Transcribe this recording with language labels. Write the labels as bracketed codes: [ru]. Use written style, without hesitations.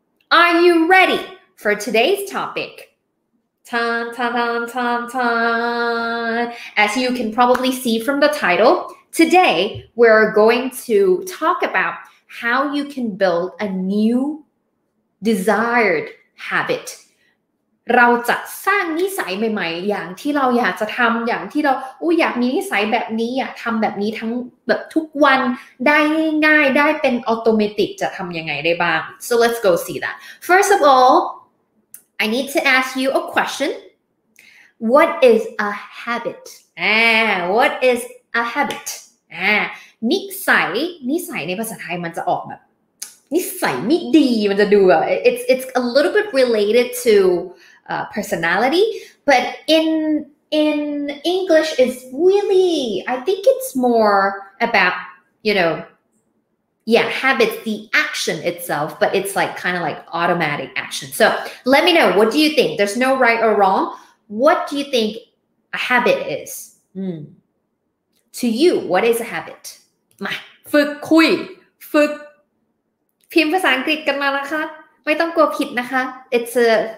[en] Are you ready for today's topic? Tan, tan, tan, tan, tan. As you can probably see from the title, today we're going to talk about how you can build a new desired habit. [th] เราจะสร้างนิสัยใหม่ๆอย่างที่เราอยากจะทำอย่างที่เราอยากมีนิสัยแบบนี้อยากทำแบบนี้ทั้งแบบทุกวันได้ง่ายได้เป็นออโตเมติกจะทำยังไงได้บ้าง [en] so let's go see that first of all I need to ask you a question what is a habit [th] what is a habit นิสัยนิสัยในภาษาไทยมันจะออกแบบนิสัยไม่ดีมันจะดูแบบ [en] it's a little bit related toPersonality, but in English is really, I think it's more about, you know, yeah, habits, the action itself, but it's like kind of like automatic action. So let me know, what do you think? There's no right or wrong. What do you think a habit is? To you, what is a habit? [th] ฝึกคุยฝึกพิมพ์ภาษาอังกฤษกันมานะคะไม่ต้องกลัวผิดนะคะ [en] it's a